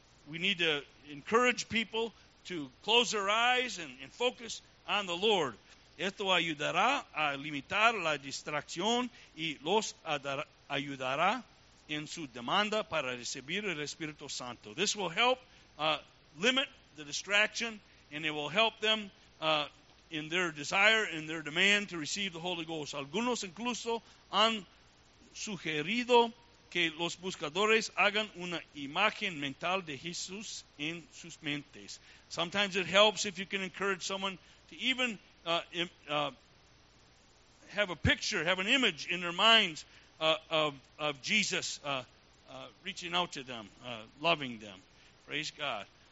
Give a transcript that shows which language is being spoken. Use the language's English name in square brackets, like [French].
[English] We need to encourage people to close their eyes and focus on the Lord. [Spanish] Esto ayudará a limitar la distracción y los ayudará en su demanda para recibir el Espíritu Santo. [English] This will help limit the distraction, and it will help them in their desire and their demand to receive the Holy Ghost. [Spanish] Algunos incluso han sugerido que los buscadores hagan una imagen mental de Jesús en sus mentes. [English] Sometimes it helps if you can encourage someone to even have a picture, have an image in their minds of Jesus reaching out to them, loving them. Praise God.